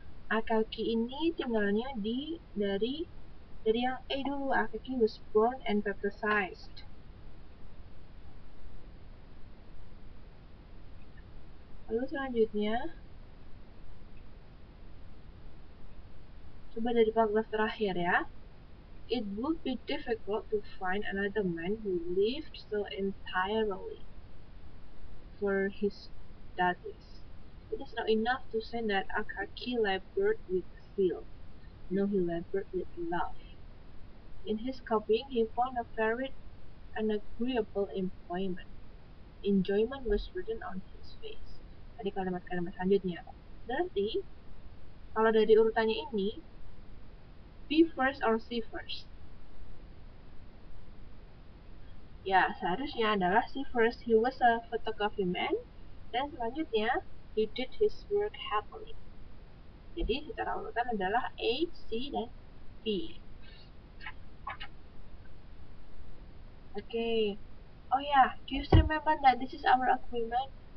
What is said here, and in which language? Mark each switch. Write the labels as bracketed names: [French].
[Indonesian] Akaki ini tinggalnya di dari yang A dulu. [English] Akaki was born and baptized. [Indonesian] Lalu selanjutnya coba dari paragraf terakhir ya. [English] It would be difficult to find another man who lived so entirely for his studies. It is not enough to say that Akaki labored with zeal. No, he labored with love. In his copying, he found a very agreeable employment. Enjoyment was written on his face. [Indonesian] Tadi kalimat-kalimat selanjutnya. Berarti, kalau dari urutannya ini, [English] B first or C first? [Indonesian] Ya, seharusnya adalah C first. [English] He was a photography man. [Indonesian] Dan selanjutnya, [English] he did his work happily. [Indonesian] Jadi, secara urutan adalah A, C, dan B. [English] Okay. Oh yeah, do you still remember that this is our agreement?